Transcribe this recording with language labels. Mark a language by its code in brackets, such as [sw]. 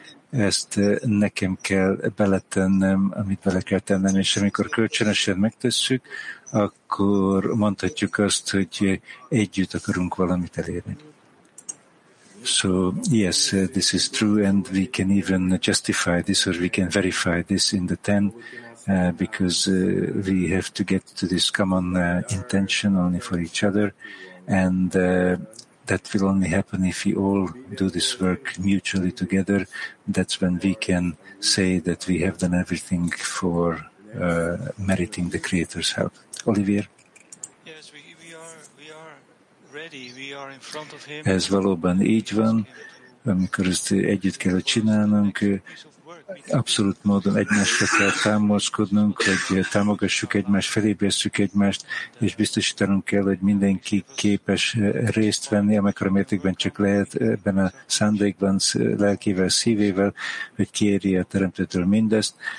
[hu] Ezt nekem kell beletennem, amit bele kell tennem, és amikor kölcsönösen megtesszük, akkor mondhatjuk azt, hogy együtt akarunk valamit elérni. [en] So, yes, this is true, and we can even justify this, or we can verify this in the 10, because we have to get to this common intention only for each other, and that will only happen if we all do this work mutually together. That's when we can say that we have done everything for meriting the Creator's help. Olivier? Yes, we are ready. We are in front of Him. [hu] Ez valóban így van, amikor ezt együtt kell csinálnunk, abszolút módon egymásra kell támaszkodnunk, hogy támogassuk egymást, felébresszük egymást, és biztosítanunk kell, hogy mindenki képes részt venni, amikor a mértékben csak lehet ebben a szándékban, lelkével, szívével, hogy kiéri a Teremtőtől mindezt.